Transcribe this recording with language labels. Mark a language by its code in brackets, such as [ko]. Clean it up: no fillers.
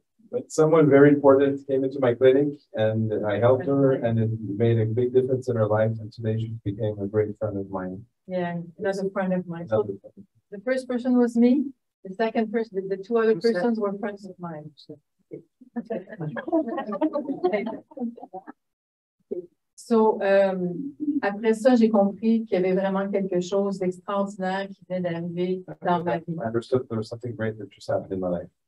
[en] But someone very important came into my clinic and I helped her and it made a big difference in her life. And today she became a great friend of mine. Yeah, another friend of mine. So the first person was me. The second person, the two other persons were friends of mine. [fr] So, après ça, j'ai compris qu'il y avait vraiment quelque chose d'extraordinaire qui venait d'arriver dans ma vie. [en] I understood there was something great that just happened in my life.